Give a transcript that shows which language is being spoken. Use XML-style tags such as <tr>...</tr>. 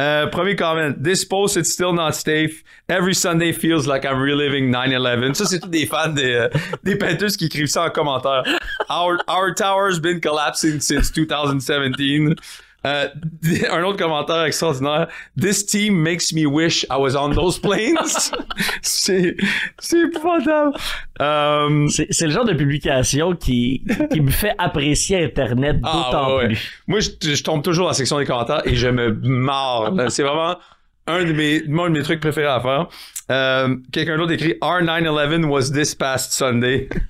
<fr>Premier comment</fr> <en>« This post, it's still not safe. Every Sunday feels like I'm reliving 9/11 ».</en> <fr>Ça, c'est tous des fans des Panthers qui écrivent ça en commentaire.</fr> <en>« Our tower's been collapsing since 2017 ».</en> <fr>Un autre commentaire extraordinaire.</fr> <en>This team makes me wish I was on those planes.</en> <fr>c'est épouvantable. C'est le genre de publication qui me fait apprécier Internet d'autant plus. Moi, je tombe toujours dans la section des commentaires et je me marre. C'est vraiment un de mes trucs préférés à faire. Quelqu'un d'autre écrit «</fr> <en>Our 9-11 was this past Sunday.</en>